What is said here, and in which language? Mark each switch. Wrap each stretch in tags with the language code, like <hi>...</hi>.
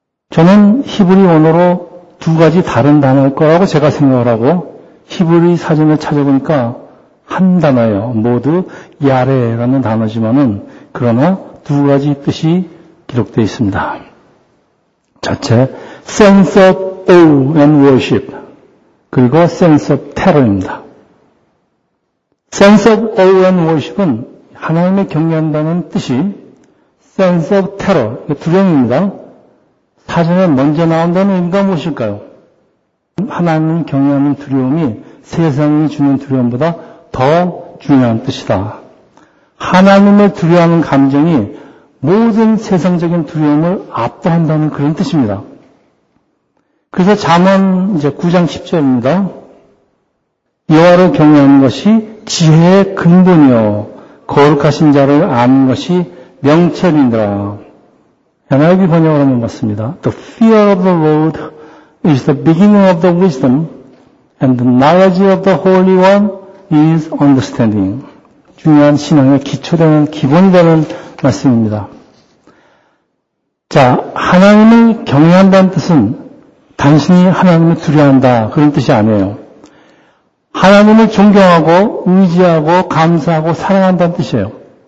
<ko>저는 히브리 원어로 두 가지 다른 단어일 거라고 제가 생각을 하고, 히브리 사전을 찾아보니까 한 단어예요. 모두 야레라는 단어지만은, 그러나 두 가지 뜻이 기록되어 있습니다. 첫째,</ko> <en>sense of awe and worship,</en> <ko>그리고</ko> <en>sense of terror</en> <ko>입니다.</ko> <en>sense of awe and worship</en> <ko>은 하나님을 경외한다는 뜻이,</ko> <en>sense of terror,</en> <ko>두려움입니다. 사전에 먼저 나온다는 의미가 무엇일까요? 하나님을 경외하는 두려움이 세상이 주는 두려움보다 더 중요한 뜻이다. 하나님을 두려워하는 감정이 모든 세상적인 두려움을 압도한다는 그런 뜻입니다. 그래서 잠언 9장 10절입니다. 여호와를 경외하는 것이 지혜의 근본이요 거룩하신 자를 아는 것이 명철이니라. NIV 번역을 하는 것 같습니다.</ko> <en>The fear of the Lord is the beginning of the wisdom, and the knowledge of the Holy One is understanding.</en> <ko>중요한 신앙의 기초되는, 기본되는 말씀입니다. 자, 하나님을 경외한다는 뜻은 단순히 하나님을 두려워한다, 그런 뜻이 아니에요. 하나님을 존경하고 의지하고 감사하고 사랑한다는 뜻이에요.</ko>